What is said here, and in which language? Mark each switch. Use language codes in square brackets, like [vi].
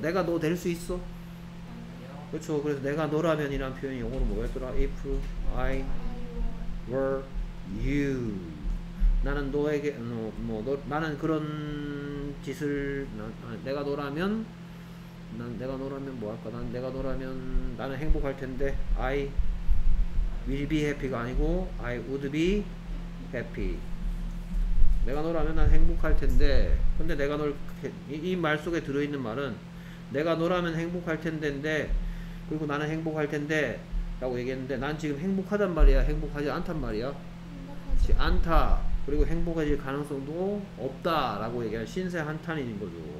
[ko] 내가 너 될 수 있어? 그렇죠. 그래서 내가 너라면이란 표현이 영어로 뭐였더라? [en] If I were you. [ko] 나는 너에게 나는 그런 짓을 내가 너라면 난 내가 너라면 뭐 할까? 난 내가 너라면 나는 행복할 텐데. [en] I will be happy가 [ko] 아니고 [en] I would be happy. [ko] 내가 너라면 난 행복할 텐데. 근데 내가 너를 이 말 속에 들어 있는 말은 내가 너라면 행복할 텐데인데 그리고 나는 행복할 텐데 라고 얘기했는데 난 지금 행복하단 말이야 행복하지 않단 말이야? 행복하지 않다. 그리고 행복해질 가능성도 없다 라고 얘기한 신세 한탄인 거죠.